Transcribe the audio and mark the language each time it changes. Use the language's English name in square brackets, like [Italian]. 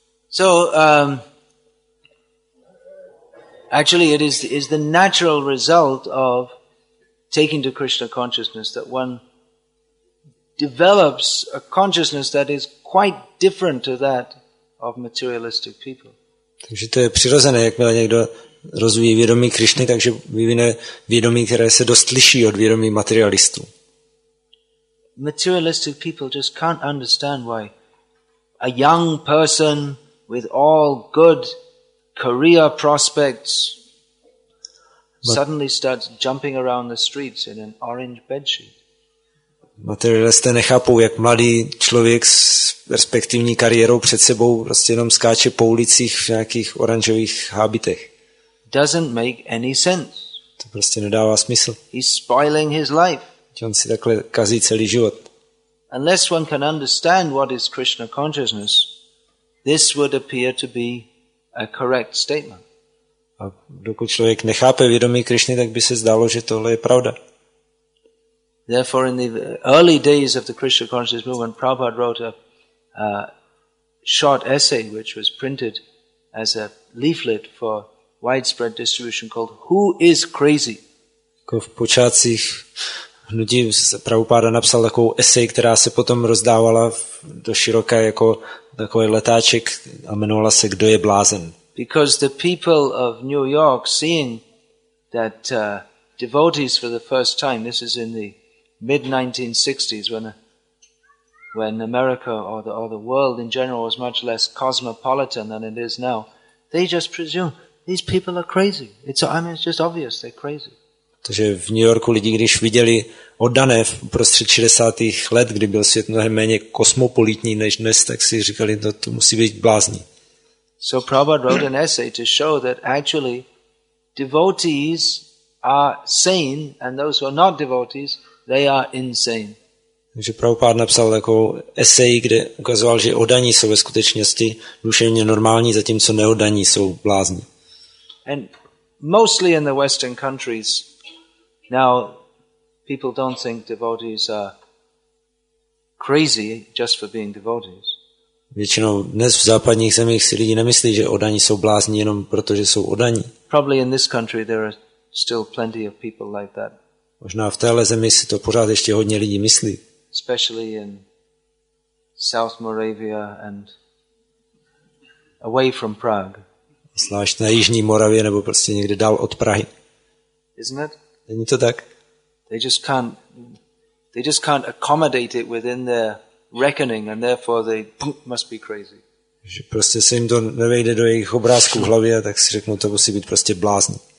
[English] So actually it is the natural result of taking to Krishna consciousness that one develops a consciousness that is quite different to that of materialistic people. [Czech] Takže to je přirozené, jakmile někdo rozvíjí vědomí Krišny, takže vyvine vědomí, které se dost liší od vědomí materialistů. [English] Materialistic people just can't understand why a young person with all good career prospects suddenly starts jumping around the streets in an orange bedsheet. [Czech] Materialisté nechápou, jak mladý člověk s perspektivní kariérou před sebou prostě jenom skáče po ulicích v nějakých oranžových hábitech. [English] Doesn't make any sense. [Czech] To prostě nedává smysl. [English] He's spoiling his life. [Czech] On si takhle kazí celý život. [English] Unless one can understand what is Krishna consciousness, this would appear to be a correct statement. [Czech] A dokud člověk nechápe vědomí Krišny, tak by se zdálo, že tohle je pravda. [English] Therefore, in the early days of the Krishna consciousness movement, Prabhupada wrote a short essay which was printed as a leaflet for widespread distribution called "Who is Crazy?" [Czech] V počátcích hnutí Prabhupada napsal takovou esej, která se potom rozdávala do široka jako takový letáček a jmenovala se "Kdo je blázen?" [English] Because the people of New York, seeing that devotees for the first time, this is in the mid-1960s, when America or the world in general was much less cosmopolitan than it is now, they just presume these people are crazy. It's just obvious they're crazy. [Czech] Takže v New Yorku lidi, když viděli oddané v prostřed 60. let, kdy byl svět mnohem méně kosmopolitní než dnes, tak si říkali, no, to musí být blázni. [English] So Prabhupada wrote an essay to show that actually devotees are sane and those who are not devotees, they are insane. [Czech] Takže Prabhupada napsal takovou esej, kde ukazoval, že oddaní jsou ve skutečnosti duševně normální, zatímco neoddaní jsou blázni. [English] And mostly in the Western countries now people don't think devotees are crazy just for being devotees. [Czech] Většinou dnes v západních zemích si lidi nemyslí, že oddaní jsou blázni jenom proto, že jsou oddaní. [English] Probably in this country there are still plenty of people like that. [Czech] Možná v téhle zemi si to pořád ještě hodně lidí myslí. [English] Especially in South Moravia and away from Prague. [Czech] Zvlášť na jižní Moravě nebo prostě někde dál od Prahy. [English] Isn't it? [Czech] Není to tak? [English] They just can't accommodate it within their reckoning and therefore they must be crazy. [Czech] Že prostě se jim to nevejde do jejich obrázků v hlavě, tak si řeknu, to musí být prostě blázni.